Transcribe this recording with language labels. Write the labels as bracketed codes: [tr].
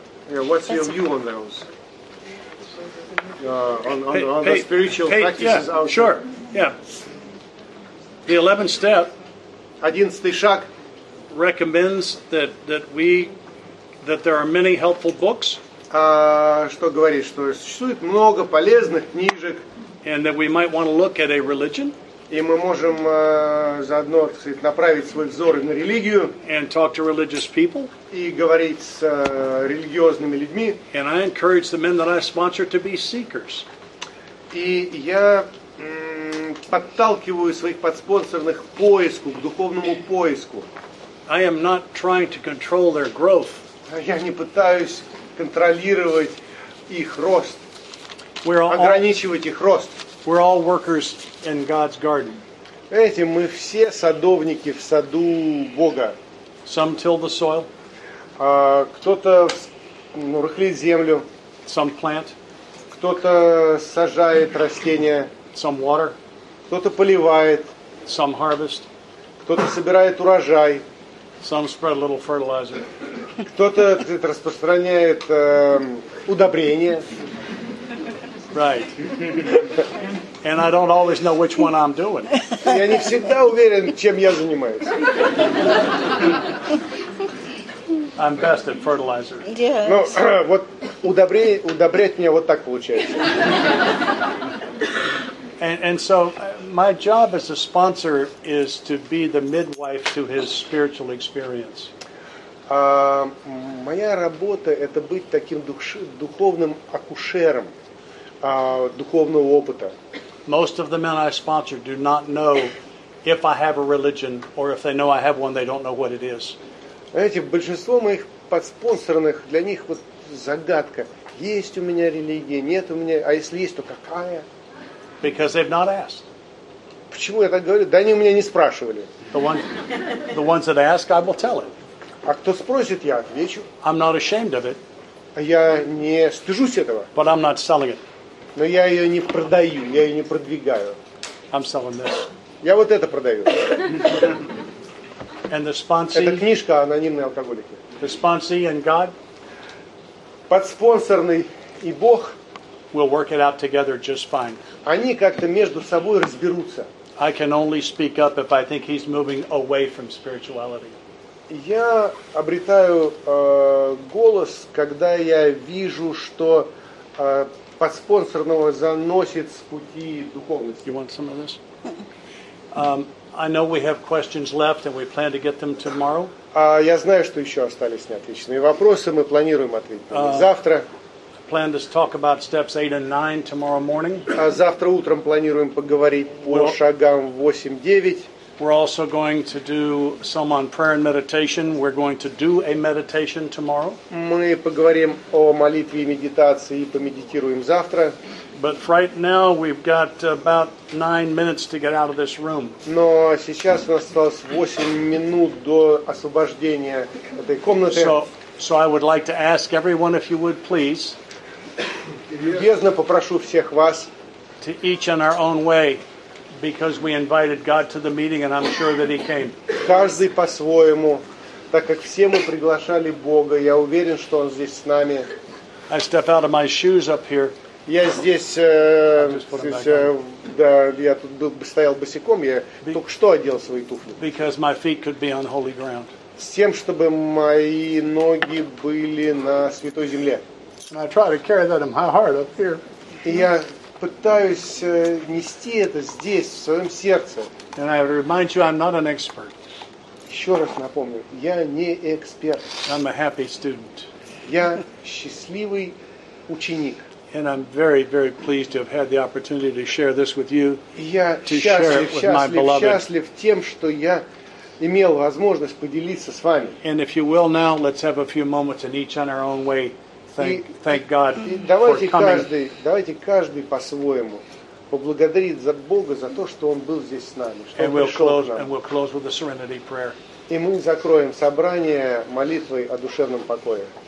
[en] Yeah, what's your view on those? On the spiritual practices outside. Sure. Yeah. The 11th step, [ru] 11th шаг, [en] recommends that there are many helpful books. [ru] Что говорит, что существует много полезных книжек. [en] And that we might want to look at a religion. [ru] И мы можем заодно, так сказать, направить свой взор на религию. [en] And talk to religious people. [ru] И говорить с религиозными людьми. [en] And I encourage the men that I sponsor to be seekers. [ru] И я подталкиваю своих подспонсорных к поиску, к духовному поиску. [en] I am not trying to control their growth. [ru] Я не пытаюсь контролировать их рост, ограничивать их рост. [en] We're all workers in God's garden. [ru] Знаете, мы все садовники в саду Бога. [en] Some till the soil. [ru] Кто-то рыхлит землю. [en] Some plant. [ru] Кто-то сажает растения. [en] Some water. [ru] Кто-то поливает. [en] Some harvest. [ru] Кто-то собирает урожай. [en] Some spread a little fertilizer. [ru] Кто-то распространяет удобрения. [en] Right. And I don't always know which one I'm doing. [ru] Я не всегда уверен, чем я занимаюсь. [en] I'm best at fertilizer. Yes. [ru] Ну, вот удобрять мне вот так получается. [en] And so my job as a sponsor is to be the midwife to his spiritual experience. [ru] Моя работа – это быть таким духовным акушером духовного опыта. [en] Most of the men I sponsor do not know if I have a religion, or if they know I have one, they don't know what it is. [ru] Знаете, большинство моих подспонсорных, для них вот загадка. Есть у меня религия, нет у меня, а если есть, то какая? [en] Because they've not asked. [ru] Почему я так говорю? Да они у меня не спрашивали. [en] The ones that ask, I will tell it. [ru] А кто спросит, я отвечу. [en] I'm not ashamed of it. [ru] Я не стыжусь этого. [en] But I'm not selling it. [ru] Но я ее не продаю, я ее не продвигаю. [en] I'm selling this. [ru] Я вот это продаю. [en] and the sponsee. [ru] Это книжка о анонимной алкоголике. [en] The sponsee and God. [ru] Подспонсорный и Бог. [en] Will work it out together just fine. [ru] Они как-то между собой разберутся. [en] I can only speak up if I think he's moving away from spirituality. [ru] Я обретаю голос, когда я вижу, что подспонсорного заносит с пути духовности. [en] You want some of this? I know we have questions left and we plan to get them tomorrow. [ru] Я знаю, что еще остались неотвеченные вопросы, мы планируем ответить на них завтра. [en] Plan to talk about steps 8 and 9 tomorrow morning. [ru] Завтра утром планируем поговорить по шагам 8-9. [en] We're also going to do some on prayer and meditation. We're going to do a meditation tomorrow. [ru] Мы поговорим о молитве и медитации и помедитируем завтра. [en] But right now we've got about 9 minutes to get out of this room. [ru] Но сейчас у нас осталось 8 минут до освобождения этой комнаты. [en] So I would like to ask everyone if you would please. [ru] Любезно попрошу всех вас. [en] To each in our own way. Because we invited God to the meeting, and I'm sure that He came. [ru] Каждый по-своему, так как все мы приглашали Бога, я уверен, что Он здесь с нами. [en] I step out of my shoes up here. [ru] Я я тут стоял босиком, я только что одел свои туфли. [en] Because my feet could be on holy ground. [ru] С тем, чтобы мои ноги были на святой земле. [en] And I try to carry that in my heart up here. [ru] Пытаюсь нести это здесь, в своем сердце. [en] And I remind you, I'm not an expert. [ru] Еще раз напомню, я не эксперт. [en] I'm a happy student. [ru] Я счастливый ученик. [en] And I'm very, very pleased to have had the opportunity to share this with you. [ru] Я счастлив тем, что я имел возможность поделиться с вами. [en] And if you will now, let's have a few moments and each on our own way. Thank God [ru] давайте for каждый, давайте каждый по-своему поблагодарит за Бога за то, что Он был здесь с нами, что [en] we'll [ru] пришел [en] close, [ru] к нам. [en] And we'll close with a serenity prayer. [ru] И мы закроем собрание молитвой о душевном покое.